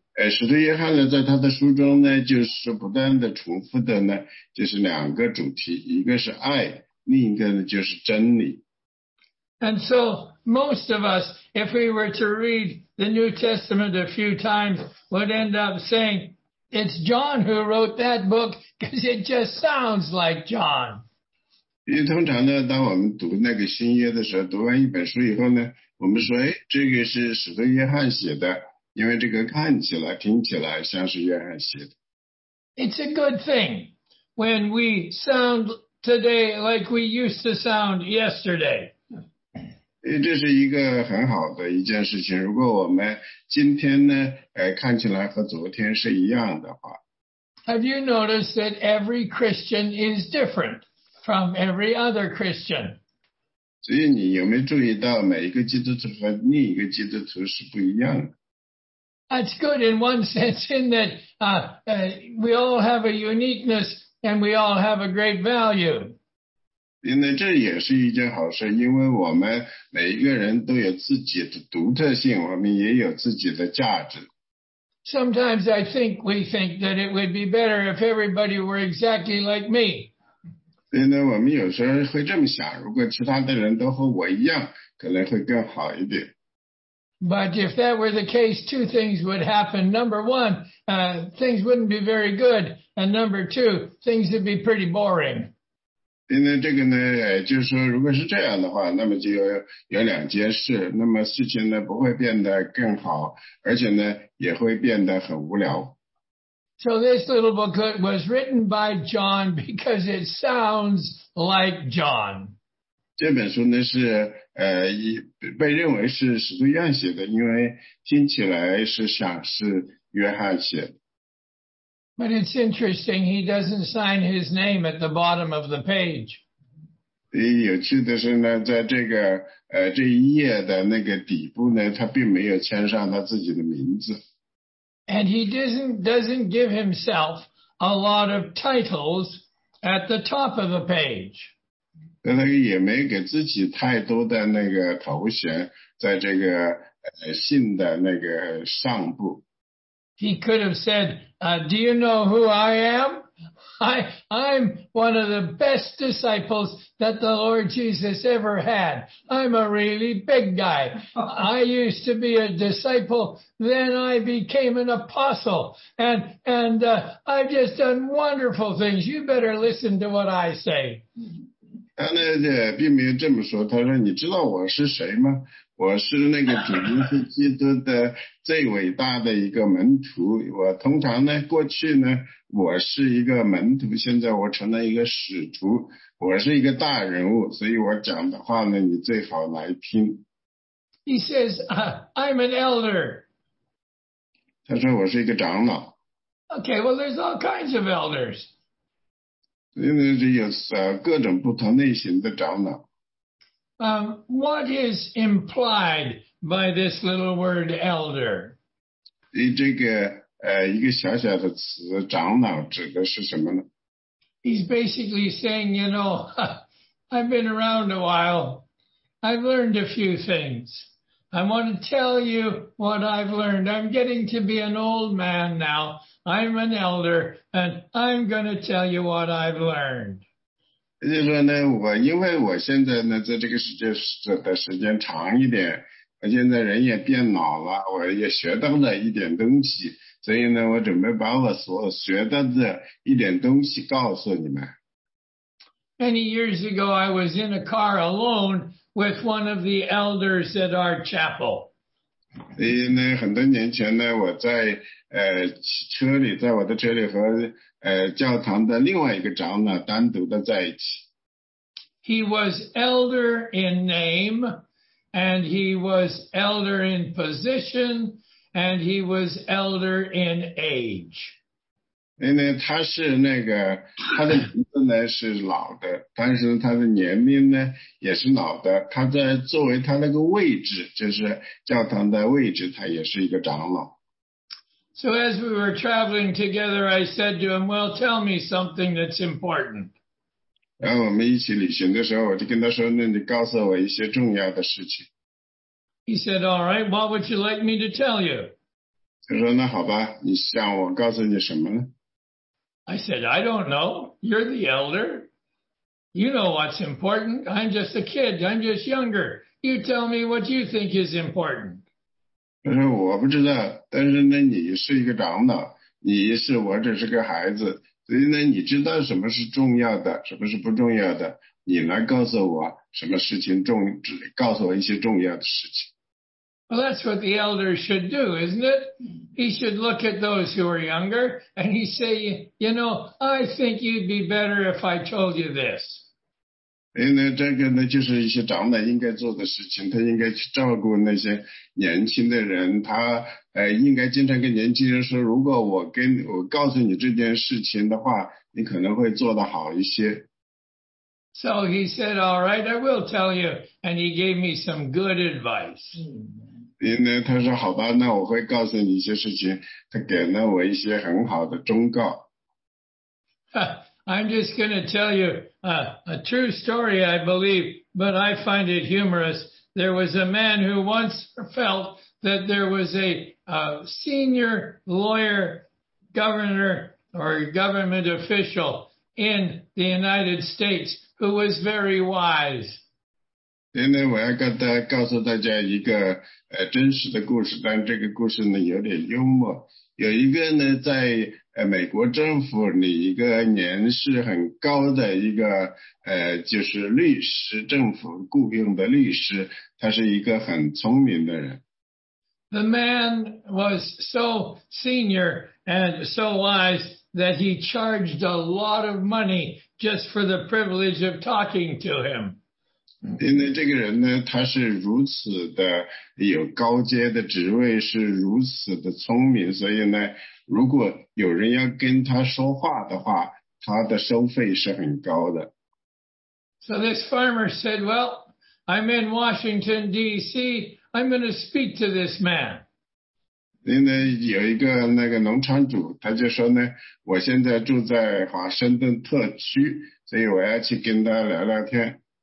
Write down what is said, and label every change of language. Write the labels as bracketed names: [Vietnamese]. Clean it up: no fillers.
[Chinese] 使徒约翰呢，在他的书中呢，就是不断的重复的呢，就是两个主题，一个是爱，另一个呢就是真理。 [English] And so most of us, if we were to read the New Testament a few times, would end up saying, it's John who wrote that book because it just sounds like John. [Chinese] 因为通常呢，当我们读那个新约的时候，读完一本书以后呢，我们说，哎，这个是使徒约翰写的。因为这个看起来听起来像是约翰写的。 [English] It's a good thing when we sound today like we used to sound yesterday. [Chinese] 这是一个很好的一件事情，如果我们今天呢，看起来和昨天是一样的话。 [English] Have you noticed that every Christian is different from every other Christian? [Chinese] 所以你有没有注意到每一个基督徒和另一个基督徒是不一样的？ [English] That's good in one sense, in that we all have a uniqueness and we all have a great value. [Chinese] 因为这也是一件好事，因为我们每一个人都有自己的独特性，我们也有自己的价值。 [English] Sometimes I think we think that it would be better if everybody were exactly like me. [Chinese] 因为我们有时候会这么想，如果其他的人都和我一样，可能会更好一点。 [English] But if that were the case, two things would happen. Number one, things wouldn't be very good. And number two, things would be pretty boring. [Chinese] 因为这个呢，就是说如果是这样的话，那么就有两件事。那么事情呢，不会变得更好，而且呢，也会变得很无聊。 [English] So this little booklet was written by John because it sounds like John. [Chinese] 这本书呢是被认为是使徒约翰写的，因为听起来是像是约翰写的。 [English] But it's interesting, he doesn't sign his name at the bottom of the page. [Chinese] 有趣的是呢，在这个这一页的那个底部呢，他并没有签上他自己的名字。 [English] And he doesn't give himself a lot of titles at the top of the page. [Chinese] 他也没给自己太多的那个头衔在这个信的那个上部。 [English] He could have said, do you know who I am? I'm one of the best disciples that the Lord Jesus ever had. I'm a really big guy. I used to be a disciple, then I became an apostle. And I've just done wonderful things. You better listen to what I say. [Chinese] 他呢也并没有这么说，他说你知道我是谁吗？我是那个主耶稣基督的最伟大的一个门徒，我通常呢过去呢我是一个门徒，现在我成了一个使徒，我是一个大人物，所以我讲的话呢你最好来听。 [English] He says, I'm an elder. [Chinese] 他说我是一个长老。 [English] Okay, well there's all kinds of elders. [Chinese] 因为这有各种不同类型的长老。 [English] What is implied by this little word elder? [Chinese] 这个一个小小的词长老指的是什么呢？ [English] He's basically saying, you know, I've been around a while. I've learned a few things. I want to tell you what I've learned. I'm getting to be an old man now. I'm an elder, and I'm going to tell you what I've learned. [Chinese] 就是说呢，因为我现在呢，在这个世界的时间长一点，我现在人也变老了，我也学到了一点东西，所以呢，我准备把我所学到的一点东西告诉你们。 [English] Many years ago, I was in a car alone with one of the elders at our chapel. [Chinese] 很多年前呢，我在车里，在我的车里和教堂的另外一个长老单独的在一起。 [English] He was elder in name, and he was elder in position, and he was elder in age. [Chinese] 因为他是那个他的名字呢是老的，但是他的年龄呢也是老的。他在作为他那个位置，就是教堂的位置，他也是一个长老。 [English] So as we were traveling together, I said to him, "Well, tell me something that's important." [Chinese] 然后我们一起旅行的时候，我就跟他说：“那你告诉我一些重要的事情。 [English] ”He said, "All right, what would you like me to tell you?" [Chinese] 他说那好吧，你想我告诉你什么呢？ [English] I said, I don't know. You're the elder. You know what's important. I'm just a kid. I'm just younger. You tell me what you think is important. [Chinese] 他说我不知道，但是呢，你是一个长老，你是我只是个孩子，所以呢，你知道什么是重要的，什么是不重要的，你来告诉我什么事情重，只告诉我一些重要的事情。 [English] Well, that's what the elder should do, isn't it? He should look at those who are younger and he say, you know, I think you'd be better if I told you this. [Chinese] 因为这个呢，就是一些长老应该做的事情，他应该去照顾那些年轻的人，他应该经常跟年轻人说，如果我告诉你这件事情的话，你可能会做得好一些。 [English] So he said, all right, I will tell you. And he gave me some good advice. [Chinese] 因为他说好吧，那我会告诉你一些事情，他给了我一些很好的忠告。 [English] I'm just going to tell you a true story, I believe, but I find it humorous. There was a man who once felt that there was a senior lawyer, governor, or government official in the United States who was very wise. [Chinese] 今天我要告诉大家一个真实的故事，但这个故事呢有点幽默。有一个呢在美国政府里一个年事很高的一个就是律师，政府雇佣的律师，他是一个很聪明的人。 [English] The man was so senior and so wise that he charged a lot of money just for the privilege of talking to him. [Chinese] 因为这个人呢，他是如此的有高阶的职位，是如此的聪明，所以呢如果有人要跟他说话的话，他的收费是很高的。 [English] So this farmer said, well, I'm in Washington, D.C. I'm going to speak to this man. [Chinese] 因为有一个那个农场主，他就说呢，我现在住在华盛顿特区，所以我要去跟他聊聊天。